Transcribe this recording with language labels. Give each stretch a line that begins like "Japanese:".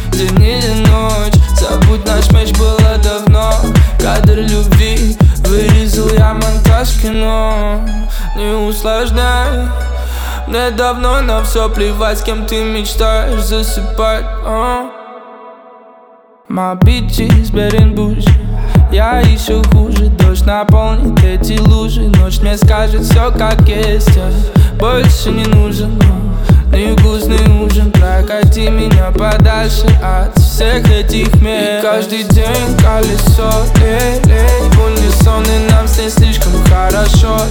Russian: День или ночь, забудь наш меч, было давно. Кадр любви вырезал я монтаж кино. Не усложняй, мне давно на все плевать, с кем ты мечтаешь засыпать.
English: My bitch is bad and bougie.
Russian: Я еще хуже, дождь наполнит эти лужи. Ночь мне скажет все как есть, я больше не нужен. Невкусный ужин, прокати меня подальше от всех этих мест. И каждый день колесо, эй-эй, в унисон, и нам все слишком хорошо.